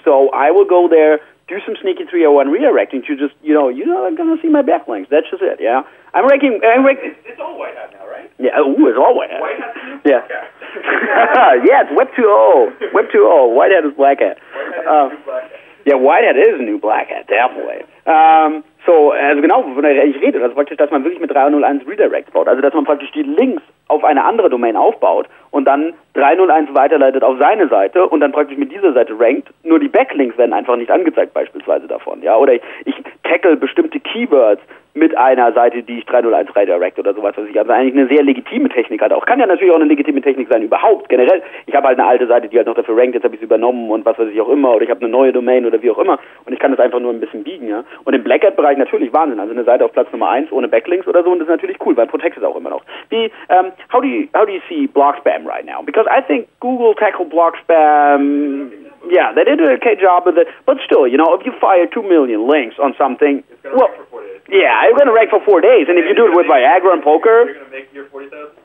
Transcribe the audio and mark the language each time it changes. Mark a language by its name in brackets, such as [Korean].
[English] So I will go there, do some sneaky 301 redirecting to just, you're not going to see my backlinks. That's just it, yeah? I'm ranking. It's all white hat now, right? Yeah, ooh, it's all white hat. White hat too? Yeah. Yeah, it's Web 2.0. Web 2.0. White hat is black hat. White hat is new black hat. Yeah, white hat is new black hat, definitely. [German] Wovon ich rede, das ist praktisch, dass man wirklich mit 301 Redirects baut. Also, dass man praktisch die Links auf eine andere Domain aufbaut und dann 301 weiterleitet auf seine Seite und dann praktisch mit dieser Seite rankt. Nur die Backlinks werden einfach nicht angezeigt, beispielsweise davon. Ja? Oder ich tackle bestimmte Keywords mit einer Seite, die ich 301 redirect oder sowas. Was ich also eigentlich eine sehr legitime Technik hat auch. Kann ja natürlich auch eine legitime Technik sein, überhaupt, generell. Ich habe halt eine alte Seite, die halt noch dafür rankt, jetzt habe ich sie übernommen und was weiß ich auch immer. Oder ich habe eine neue Domain oder wie auch immer. Und ich kann das einfach nur ein bisschen biegen, ja. Und im Black Hat-Bereich natürlich Wahnsinn. Also eine Seite auf Platz Nummer 1 ohne Backlinks oder so. Und das ist natürlich cool, weil Protect es auch immer noch. [English] How do you see Block Spam right now? Because I think Google tackled Block Spam. Yeah, they did an okay job with it. But still, if you fire 2 million links on something, you're going to rank for 4 days. And if you do it with Viagra and poker, you're going to make your $40,000.